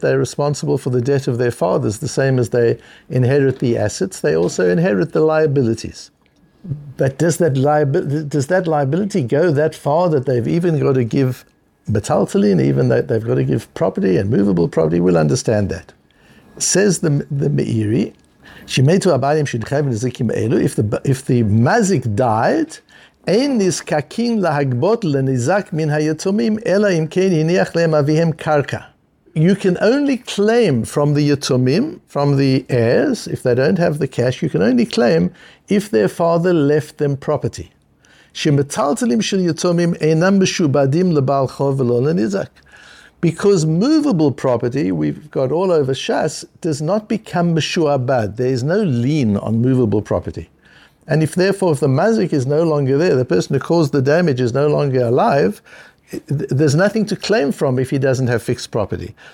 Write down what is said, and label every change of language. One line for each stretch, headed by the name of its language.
English: They're responsible for the debt of their fathers, the same as they inherit the assets. They also inherit the liabilities. But does that liability go that far that they've even got to give metaltalin, and even that they've got to give property and movable property? We'll understand that. Says the Meiri,
Hebrew: Shimetu Abayim Shidchev Nizikim Elu,
English: if the Mazik died,
Hebrew: אין נזקקים להגבות לנזק מן היתומים, אלא אם כן הניח להם אביהם קרקע.
English: You can only claim from the yetomim, from the heirs, if they don't have the cash, you can only claim if their father left them property.
Hebrew: שמטלטלים של יתומים אינם משובדים לבעל חוב ולא לנזק.
English: Because movable property, we've got all over Shas, does not become משועבד. There is no lien on movable property. And if the mazik is no longer there, the person who caused the damage is no longer alive, there's nothing to claim from if he doesn't have fixed property.